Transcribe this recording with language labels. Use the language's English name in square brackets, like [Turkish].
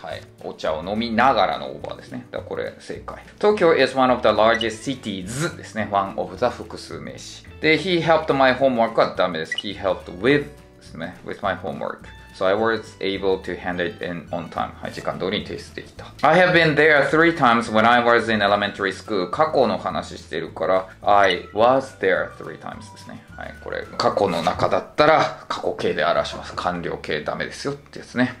[Japanese] はい、お茶を飲みながらのオーバーですね。だからこれ正解。 [English] Tokyo is one of the largest cities [Japanese] ですね。 [English] One of the [Japanese] 複数名詞で、 [English] He helped my homework [Japanese] はダメです。 [English] He helped with [Japanese] ですね、 [English] with my homework. So I was able to hand it in on time. [Japanese] はい、時間通りに提出できた。 [English] I have been there three times when I was in elementary school. [Japanese] 過去の話してるから、 [English] I was there three times [Japanese] ですね。はい、これ、過去の中だったら、過去形で表します。完了形ダメですよってやつね。